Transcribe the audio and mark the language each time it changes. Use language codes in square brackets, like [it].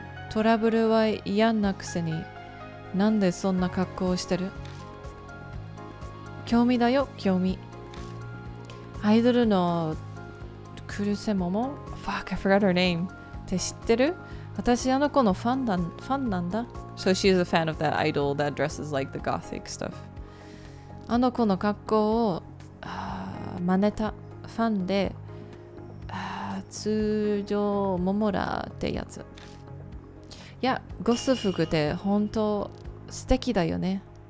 [ja] トラブルは嫌なくせに、なんでそんな格好をしてる？興味だよ、興味。アイドルのクルセモモ？ [en] Fuck, I forgot her name. [ja] って知ってる？私あの子のファンなんだ。 [en] So she is a fan of that idol that dresses like the gothic stuff. [ja] あの子の格好を真似たファンで、通常モモラってやつ。いや、ゴス服って本当素敵だよね。